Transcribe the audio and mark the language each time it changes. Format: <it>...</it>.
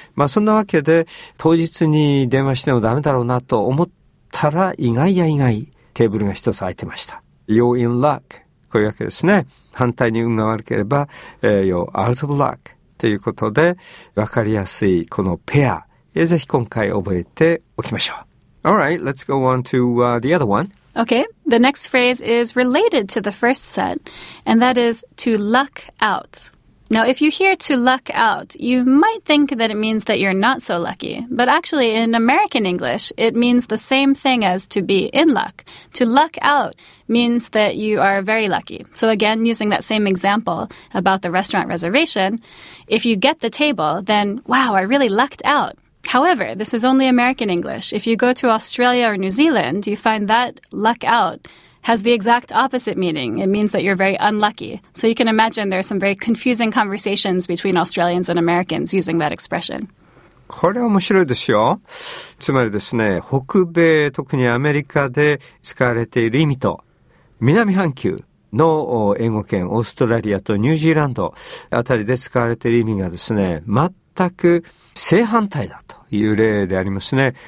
<ja>まあそんなわけで、当日に電話してもダメだろうなと思ったら、意外や意外、テーブルが一つ空いてました。</ja> <en>You're in luck.</en> <ja>こういうわけですね。反対に運が悪ければ、</ja> <en>You're out of luck.</en> <ja>ということで、わかりやすいこのペア、ぜひ今回覚えておきましょう。</ja> <en>Alright, let's go on to the other one. Okay, the next phrase is related to the first set, and that is to luck out. Now, if you hear to luck out, you might think that it means that you're not so lucky. But actually, in American English, it means the same thing as to be in luck. To luck out means that you are very lucky. So again, using that same example about the restaurant reservation, if you get the table, then, wow, I really lucked out. However, this is only American English. If you go to Australia or New Zealand, you find that luck out... has the exact opposite meaning. It means that you're very unlucky. So you can imagine there are some very confusing conversations between Australians and Americans using that expression.</en> <ja>これは面白いですよ。つまりですね、北米、特にアメリカで使われている意味と、南半球の英語圏、オーストラリアとニュージーランドあたりで使われている意味がですね、全く正反対だという例でありますね。</ja>